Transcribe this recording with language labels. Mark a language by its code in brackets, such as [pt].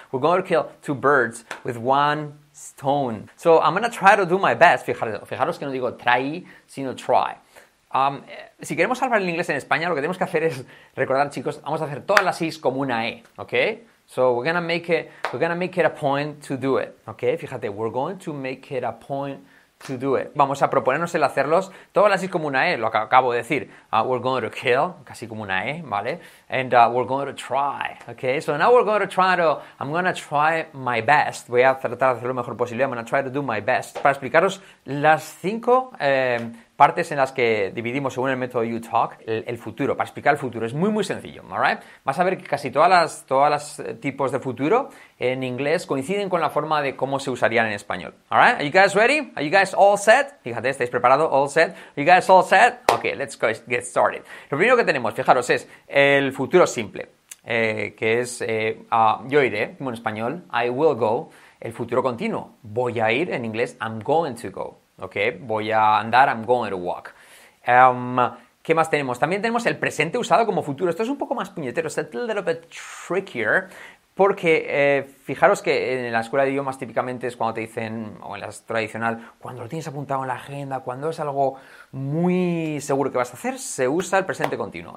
[en] We're going to kill two birds with one stone. So I'm gonna try to do my best. [es] Fijaros que no digo try, sino try. Si queremos hablar el inglés en España, lo que tenemos que hacer es recordar, chicos, vamos a hacer todas las is como una e, okay? [en] So we're gonna make it a point to do it, okay? [es] Fíjate, [en] we're going to make it a point to do it. [es] Vamos a proponernos el hacerlos todas las is como una e, lo que acabo de decir. [en] We're going to kill, [es] casi como una e, ¿vale? [en] And we're going to try, okay? So now we're going to try to, I'm gonna try my best. [es] Voy a tratar de hacer lo mejor posible. [en] I'm gonna try to do my best [es] para explicaros las cinco partes en las que dividimos, según el método You Talk, el futuro, para explicar el futuro. Es muy, muy sencillo, ¿alright? Vas a ver que casi todas las tipos de futuro en inglés coinciden con la forma de cómo se usarían en español, ¿alright? [en] Are you guys ready? Are you guys all set? [es] Fíjate, ¿estáis preparados? [en] All set. Are you guys all set? [es] Ok, let's go get started. Lo primero que tenemos, fijaros, es el futuro simple, que es yo iré, como en español, [en] I will go, [es] el futuro continuo, voy a ir, en inglés, [en] I'm going to go. Okay, [es] voy a andar, [en] I'm going to walk. [es] ¿Qué más tenemos? También tenemos el presente usado como futuro. Esto es un poco más puñetero, [en] it's a little bit trickier, [es] porque fijaros que en la escuela de idiomas típicamente es cuando te dicen, o en la tradicional, cuando lo tienes apuntado en la agenda, cuando es algo muy seguro que vas a hacer, se usa el presente continuo.